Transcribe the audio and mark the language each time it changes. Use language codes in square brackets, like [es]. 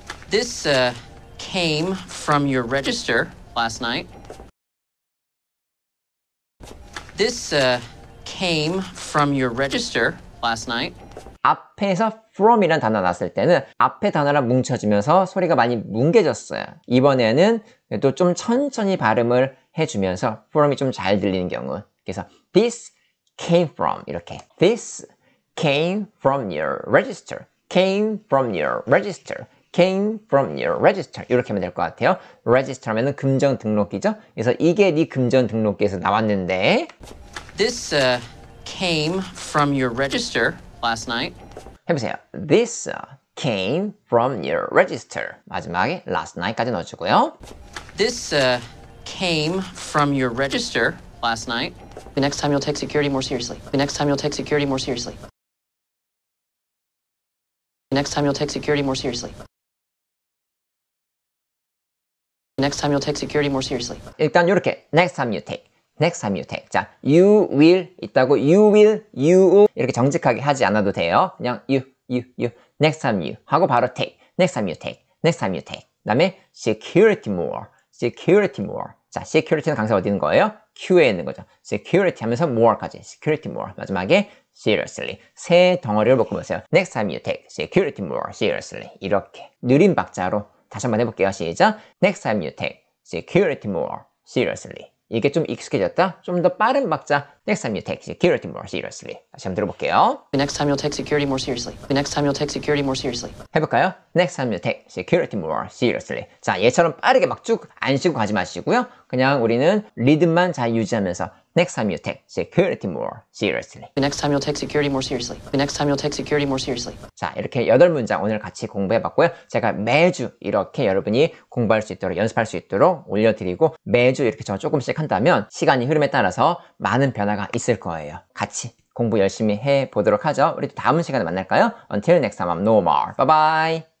[en] This came from your register last night. This came from your register last night. [ko] 앞에서 from이라는 단어 났을 때는 앞에 단어랑 뭉쳐지면서 소리가 많이 뭉개졌어요. 이번에는 또 좀 천천히 발음을 해주면서 from이 좀 잘 들리는 경우. 그래서 [en] this came from 이렇게. This came from your register. Came from your register. Came from your register. [ko] 이렇게 하면 될 것 같아요. Register 하면은 금전 등록기죠. 그래서 이게 네 금전 등록기에서 나왔는데. [en] This came from your register last night. [ko] 해보세요. [en] This came from your register. [ko] 마지막에 last night까지 넣어주고요. [en] This came from your register last night. The next time you'll take security more seriously. The next time you'll take security more seriously. The next time you'll take security more seriously. Next time you'll take security more seriously. [ko] 일단 이렇게 [en] next time you take. Next time you take. 자, you will 있다고 you will you [ko] 이렇게 정직하게 하지 않아도 돼요. [en] 그냥 you you you next time you 하고 바로 take. Next time you take. Next time you take. [ko] 그다음에 [en] security more. Security more. [ko] 자, security는 강세 어디 있는 거예요? Q에 있는 거죠. [en] Security 하면서 more까지. Security more. 마지막에 seriously. [ko] 세 덩어리를 묶어 보세요. [en] Next time you take. Security more. Seriously. [ko] 이렇게 느린 박자로 다시 한번 해볼게요. 시작. [en] Next time you take security more seriously. [ko] 이게 좀 익숙해졌다. 좀 더 빠른 박자. [en] Next time you take security more seriously. [ko] 다시 한번 들어볼게요. [en] The next time you'll take security more seriously. The next time you'll take security more seriously. [ko] 해볼까요? [en] Next time you take security more seriously. [ko] 자, 얘처럼 빠르게 막 쭉 안 쉬고 가지 마시고요. 그냥 우리는 리듬만 잘 유지하면서 [en] next time you take security more seriously. The next time you'll take security more seriously. The next time you'll take security more seriously. [ko] 자, 이렇게 여덟 문장 오늘 같이 공부해 봤고요. 제가 매주 이렇게 여러분이 공부할 수 있도록 연습할 수 있도록 올려 드리고 매주 이렇게 저 조금씩 한다면 시간이 흐름에 따라서 많은 변화가 있을 거예요. 같이 공부 열심히 해 보도록 하죠. 우리 다음 시간에 만날까요? [en] Until next time, I'm no more. Bye bye.